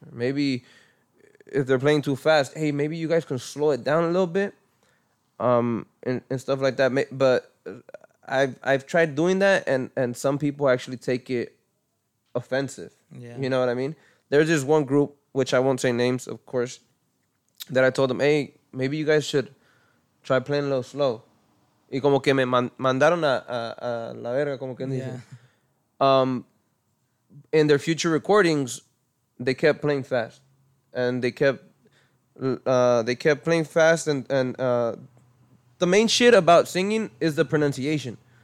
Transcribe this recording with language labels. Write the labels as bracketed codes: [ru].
[en] Maybe if they're playing too fast, hey, maybe you guys can slow it down a little bit, and stuff like that. But I've tried doing that, and some people actually take it offensive. Yeah, you know what I mean? There's this one group, which I won't say names, of course, that I told them, hey, maybe you guys should try playing a little slow. [es] Y como que me mandaron a la verga, como que dice. [en] In their future recordings, they kept playing fast. And they kept playing fast. And the main shit about singing is the pronunciation.